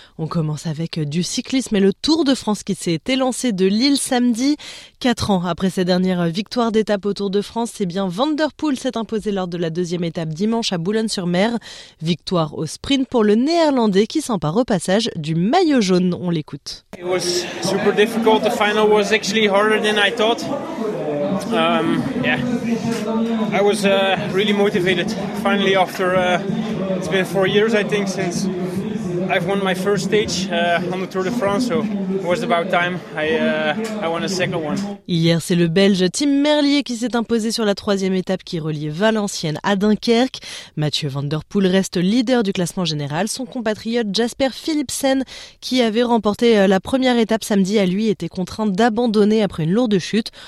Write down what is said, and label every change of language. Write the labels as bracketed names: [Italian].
[French] On commence avec du cyclisme et le Tour de France qui s'est élancé de Lille samedi. 4 ans après sa dernière victoire d'étape au Tour de France, c'est bien Van der Poel s'est imposé lors de la deuxième étape dimanche à Boulogne-sur-Mer. Victoire au sprint pour le Néerlandais qui s'empare au passage du maillot jaune. On l'écoute. [English] It was super difficult. The final was actually harder than I thought. I was really motivated finally after it's been 4 years I think since I've won my first stage on the Tour de France, so it was about time I won a second one. [French] Hier, c'est le Belge Tim Merlier qui s'est imposé sur la troisième étape qui reliait Valenciennes à Dunkerque. Mathieu Van Der Poel reste leader du classement général. Son compatriote Jasper Philipsen, qui avait remporté la première étape samedi à lui, était contraint d'abandonner après une lourde chute.